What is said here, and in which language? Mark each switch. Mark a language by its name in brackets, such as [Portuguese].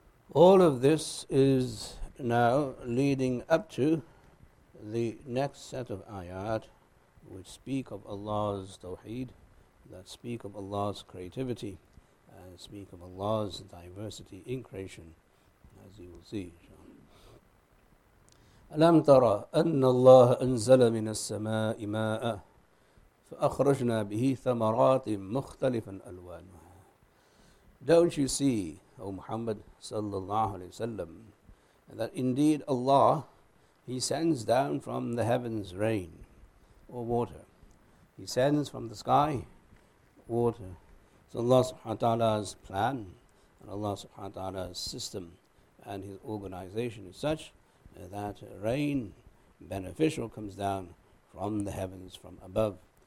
[English] All of this is now leading up to the next set of ayat, which speak of Allah's Tauheed, that speak of Allah's creativity, and speak of Allah's diversity in creation, as you will see. [Arabic] ألم تر أن الله أنزل من السماء ماء فأخرجنا به ثمرات مختلفا ألوانها. [English] Don't you see, O Muhammad sallallahu alaihi wasallam, that indeed Allah, He sends down from the heavens rain or water. He sends from the sky water. So Allah subhanahu wa ta'ala's plan and Allah subhanahu wa ta'ala's system and His organization is such that rain, beneficial, comes down from the heavens, from above.